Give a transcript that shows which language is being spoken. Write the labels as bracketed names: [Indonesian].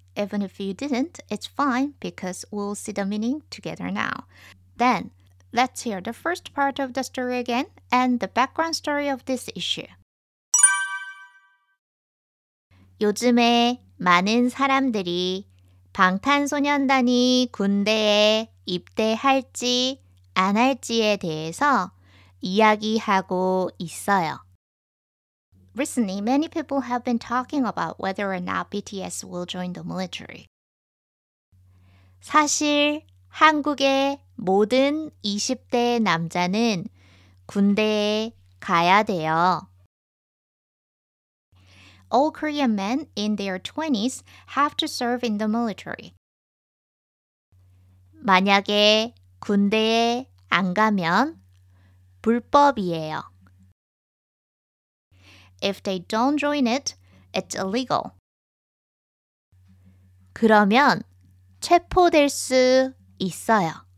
[English] Even if you didn't, it's fine because we'll see the meaning together now. Then, let's hear the first part of the story again and the background story of this issue. [Korean] 요즘에 많은 사람들이 방탄소년단이 군대에 입대할지 안 할지에 대해서 이야기하고 있어요. [English] Recently, many people have been talking about whether or not BTS will join the military. [Korean] 사실 한국의 모든 20대 남자는 군대에 가야 돼요. [English] All Korean men in their 20s have to serve in the military. [Korean] 만약에 군대에 안 가면 불법이에요. [English] If they don't join it, it's illegal. [Korean] 그러면 체포될 수 있어요.